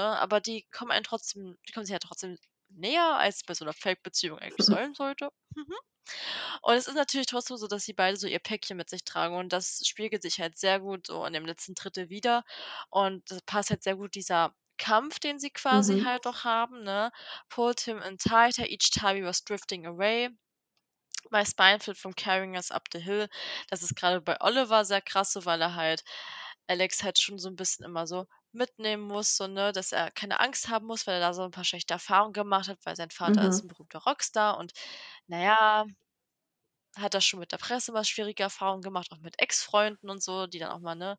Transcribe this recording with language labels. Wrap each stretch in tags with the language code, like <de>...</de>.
<de>Aber die kommen einem trotzdem, die kommen sich ja trotzdem näher, als bei so einer Fake-Beziehung eigentlich sein sollte. Und es ist natürlich trotzdem so, dass sie beide so ihr Päckchen mit sich tragen. Und das spiegelt sich halt sehr gut so in dem letzten Drittel wieder. Und das passt halt sehr gut, dieser Kampf, den sie quasi halt noch haben, ne?</de> <en>Pulled him in tighter each time he was drifting away. My spine felt from carrying us up the hill.</en> <de>Das ist gerade bei Oliver sehr krass, weil er halt Alex halt schon so ein bisschen immer so mitnehmen muss, so, ne, dass er keine Angst haben muss, weil er da so ein paar schlechte Erfahrungen gemacht hat, weil sein Vater ist ein berühmter Rockstar und naja, hat er schon mit der Presse mal schwierige Erfahrungen gemacht, auch mit Ex-Freunden und so, die dann auch mal, ne?</de>